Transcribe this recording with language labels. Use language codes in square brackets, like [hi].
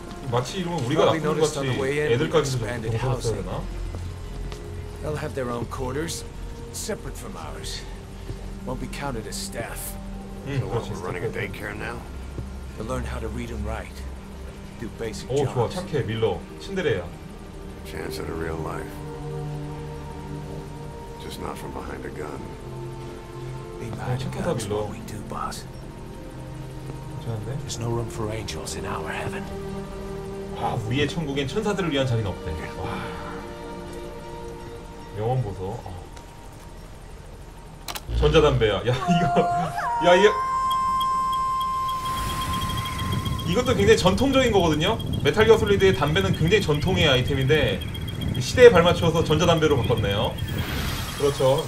[ko] 마치 이런 우리가 나쁜 것 같이 애들까지도 공격했어야 되나? [en] They'll have their own quarters, separate from ours. Won't be counted as staff. So what, we're running a daycare now? To learn how to read and write. Do basic jobs. [ko] 오, 좋아. 착해, 밀러. 신데레야. [en] Chance at a real life. Just not from behind a gun. Be behind a gun is what we do, boss. [ko] 괜찮은데? [en] There's no room for angels in our heaven. [ko] 와, 우리의 천국엔 천사들을 위한 자리는 없대. 와. 영원 보소. 어. 전자담배야. 야 이거. 야 이게. 이것도 굉장히 전통적인 거거든요. 메탈 기어 솔리드의 담배는 굉장히 전통의 아이템인데 시대에 발맞춰서 전자담배로 바꿨네요. 그렇죠.